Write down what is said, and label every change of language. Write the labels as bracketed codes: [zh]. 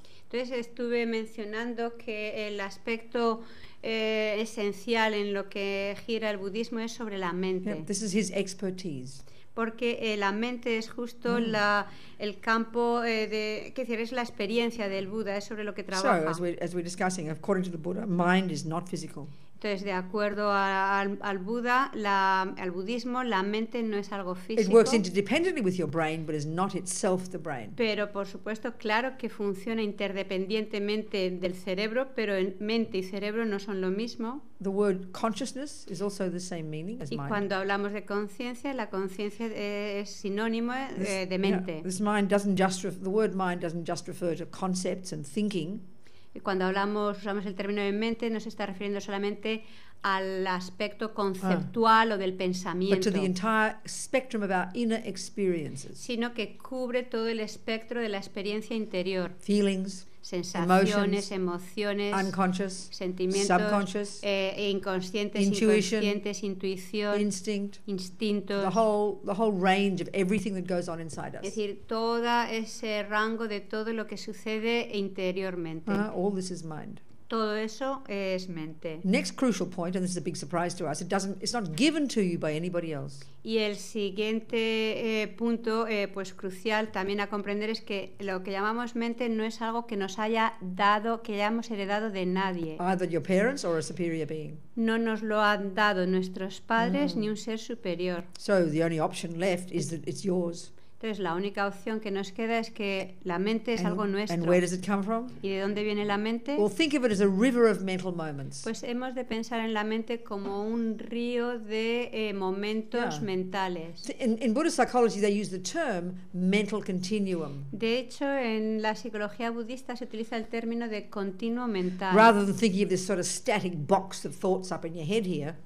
[es] Entonces estuve mencionando que el aspecto esencial en lo que gira el budismo es sobre la mente. [en] Yeah, this is his expertise. [es] Porque la mente es justo el campo de, qué decir, es la experiencia del Buda, es sobre lo que trabaja. [en] So, as we're discussing, according to the Buddha, mind is not physical. [es] Entonces, de acuerdo al Buda, al budismo, la mente no es algo físico. [en] It works interdependently with your brain, but is not itself the brain. [es] Pero, por supuesto, claro que funciona interdependientemente del cerebro, pero mente y cerebro no son lo mismo. [en] The word consciousness is also the same meaning as [es] mind. Y cuando hablamos de conciencia, la conciencia es sinónimo de mente. [en] This mind doesn't just the word mind doesn't just refer to concepts and thinking. [es] Y cuando usamos el término de mente, no se está refiriendo solamente al aspecto conceptual o del pensamiento, [en] but to the entire spectrum of our inner experiences, [es] sino que cubre todo el espectro de la experiencia interior, [en] feelings, [es] sensaciones, emociones, [en] unconscious, [es] sentimientos, [en] subconscious, [es] inconscientes, inconscientes, intuición, [en] instinto, the whole range of everything that goes on inside us. [es] Es decir, todo ese rango de todo lo que sucede interiormente. [en] All this is mind. [es] Todo eso es mente. [en] Next crucial point, and this is a big surprise to us, it's not given to you by anybody else. [es] Y el siguiente punto, pues crucial también a comprender, es que lo que llamamos mente no es algo que nos haya dado, que hayamos heredado de nadie. [en] Either your parents or a superior being. [es] No nos lo han dado nuestros padres ni un ser superior. [en] So the only option left is that it's yours. [es] Entonces la única opción que nos queda es que la mente es algo nuestro. [en] And where does it come from? [es] ¿Y de dónde viene la mente? [en] Well, think of it as a river of mental moments. [es] Pues hemos de pensar en la mente como un río de momentos mentales. [en] In Buddhist psychology they use the term mental continuum. [es] De hecho, en la psicología budista se utiliza el término de continuo mental. [en] Rather than thinking of this sort of static box of thoughts up in your head here.